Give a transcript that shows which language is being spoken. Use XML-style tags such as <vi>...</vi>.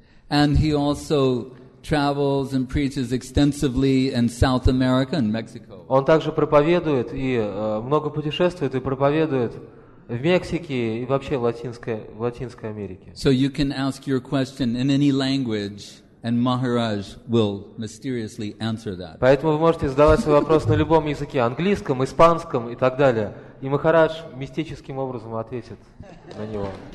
<en>And he also travels and preaches extensively in South America and Mexico.</en> <ru>Он также проповедует и много путешествует и проповедует в Мексике и вообще в Латинской Америке.</ru> <en>So you can ask your question in any language, and Maharaj will mysteriously answer that.</en> <ru>Поэтому вы можете задавать свой вопрос на любом языке, английском, испанском и так далее, и Махарадж мистическим образом ответит на него.</ru>